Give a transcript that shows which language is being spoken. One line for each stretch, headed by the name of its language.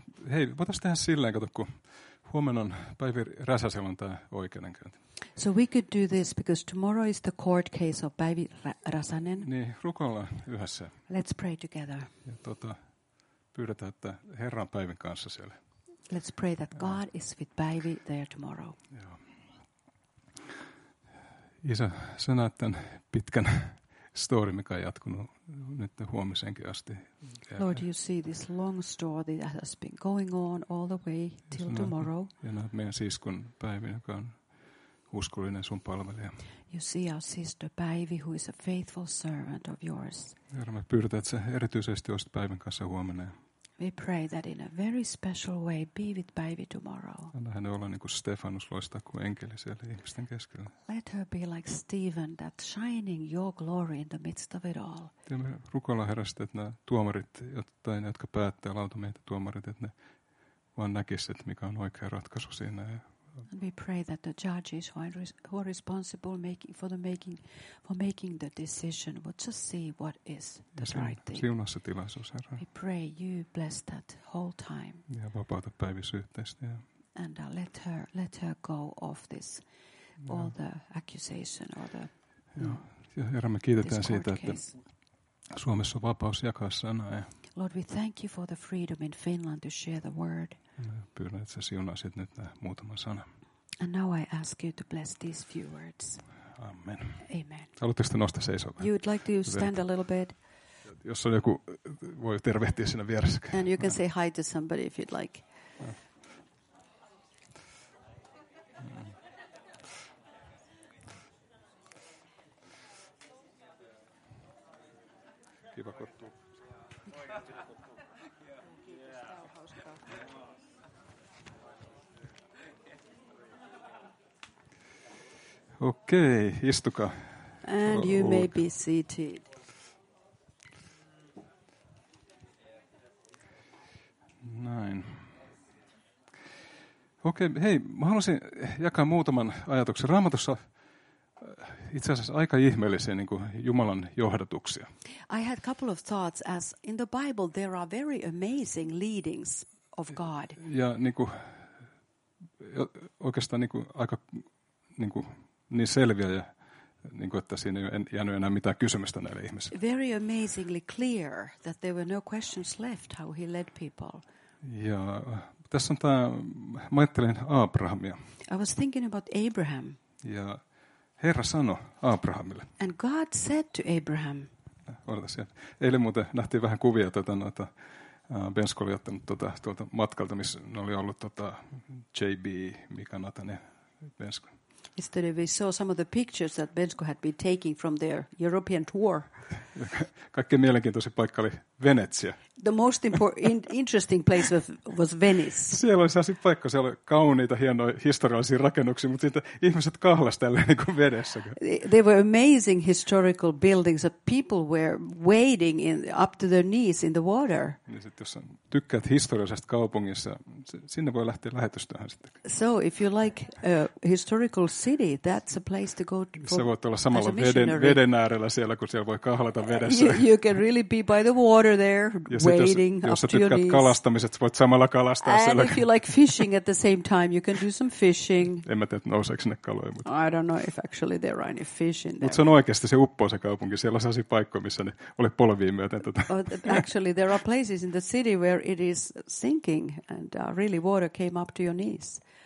Finnish: Hei, voitaisiin tehdä silleen, kato, kun huomenna on Päivi Räsäsellä on tämä oikeudenkäynti.
English: So we could do this, because tomorrow is the court case of Päivi Räsänen.
Finnish: Niin, rukoillaan yhdessä.
English: Let's pray together.
Finnish: Ja pyydetään, että Herra on Päivin kanssa siellä.
English: Let's pray that God is with Päivi there tomorrow.
Finnish: Joo. Isä, sä näet tämän pitkän story, mikä on jatkunut nyt huomiseenkin asti.
English: Lord, you see this long story that has been going on all the way till tomorrow.
Finnish: Ja näet meidän siskun Päivi, joka on uskollinen sun palvelija.
English: You see our sister Päivi, who is a faithful servant of yours.
Finnish: Herra, me pyydetään, että sä erityisesti olisit Päivin kanssa huomenna.
English: We pray that in a very special way, be with Päivi tomorrow.
Finnish: Anna hän olla niin kuin Stefanus loistaa kuin enkeli siellä ihmisten keskellä.
English: Let her be like Stephen, that shining your glory in the midst of it all.
Finnish: Ja me rukoillaan Herrasta, että nämä tuomarit, tai ne, jotka päättää lautamiehet tuomarit, että ne vaan näkisivät, että mikä on oikea ratkaisu siinä.
English: And we pray that the judges who are responsible for making the decision would just see what is the right thing.
Finnish: Siunassa tilaisuus, Herra.
English: We pray you bless that whole time.
Finnish: Ja vapauta Päivi syytteistä.
English: And let her go off this all the accusation or the
Finnish: Joo. Herra, me kiitetään siitä, että Suomessa on vapaus jakaa sanaa. Ja
English: Lord, we thank you for the freedom in Finland to share the word.
Finnish: Pyydän, että sä siunasit nyt nämä muutama sana.
English: And now I ask you to bless these few words. Amen. Amen.
Finnish: Haluatteko te nostaa seisomaan?
English: You would like to stand a little bit.
Finnish: Jos on joku, voi tervehtiä siinä vieressä.
English: And you can say hi to somebody if you'd like.
Finnish: Kiva kuttu. Okei, istukaa.
English: And you may be seated.
Finnish: Näin. Okei, hei, mä haluaisin jakaa muutaman ajatuksen. Raamatussa itse asiassa aika ihmeellisiä niin kuin Jumalan johdatuksia.
English: I had a couple of thoughts as in the Bible there are very amazing leadings of God.
Finnish: Ja niin kuin, oikeastaan niin kuin, aika niin kuin, niin selviä ja niin kuin, että siinä ei ole jäänyt enää mitään kysymystä näille ihmisille.
English: Very amazingly clear that there were no questions left how he led people.
Finnish: Ja tässä on tämä, mä ajattelin Abrahamia.
English: I was thinking about Abraham.
Finnish: Ja Herra sanoi Abrahamille.
English: And God said to Abraham.
Finnish: Odota siellä. Eilen muuten nähtiin vähän kuvia tätä noita. Bensko oli ottanut tuota, tuolta matkalta, missä ne oli ollut tuota, JB, Mika, Nathan ja Bensko.
English: Yesterday we saw some of the pictures that Bensko had been taking from their European tour.
Finnish: Kaikkein mielenkiintoisin paikka oli Venetsia.
English: The most interesting place was Venice.
Finnish: Siellä oli sellaisia paikka, siellä oli kauniita, hienoja, historiallisia rakennuksia, mutta siitä ihmiset kahlasi tälleen niin kuin vedessä.
English: There were amazing historical buildings that people were wading in, up to their knees in the water.
Finnish: Niin sitten jos tykkäät historiallisesta kaupungissa, sinne voi lähteä lähetystöhön sitten.
English: So if you like a historical city, that's a place to go to.
Finnish: Se voi olla samalla veden äärellä siellä, kun siellä voi kahlata vedessä.
English: You can really be by the water there. Waiting
Finnish: jos sä tykkäät kalastamiset, voit samalla kalastaa
English: and
Finnish: siellä.
English: And if you like fishing at the same time, you can do some fishing.
Finnish: En mä tiedä, että nouseeko sinne kaloja. Mutta
English: I don't know if actually there are any fish in there.
Finnish: Mutta se on oikeasti, se uppoo se kaupunki. Siellä on sellaisia paikkoja, missä ne oli polviin myöten.
English: Actually, there are places in the city where it is sinking and really water came up to your knees.